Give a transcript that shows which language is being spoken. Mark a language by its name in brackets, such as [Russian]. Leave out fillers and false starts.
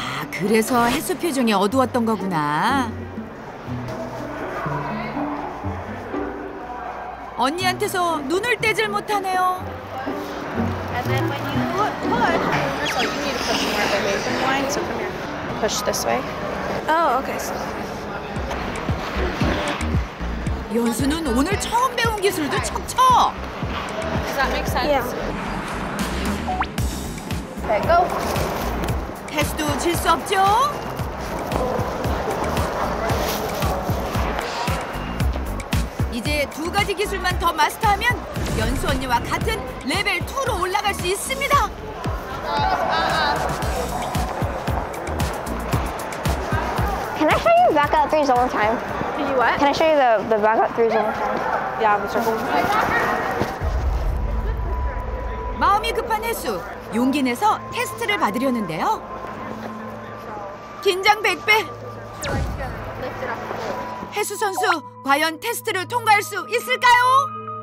[Korean] 그래서 해수 표정이 어두웠던 거구나. 언니한테서 눈을 떼질 못하네요. [English] And then when you push, so you need to push more of the basin line. So come here. Push this way. Oh, okay. So... [Korean] 연수는 오늘 처음 배운 기술도 척척. [English] Does that make sense? Yeah. Okay, go. [Korean] 테스도 질 수 없죠? 이제 두 가지 기술만 더 마스터하면 연수 언니와 같은 레벨 2로 올라갈 수 있습니다. 아, 아. [English] Can I show you back out threes one time? Do you what? Can I show you the back out threes one time? Yeah, but you're going. [Korean] 마음이 급한 해수 용기 내서 테스트를 받으려는데요. 긴장 100배. 해수 선수 과연 테스트를 통과할 수 있을까요?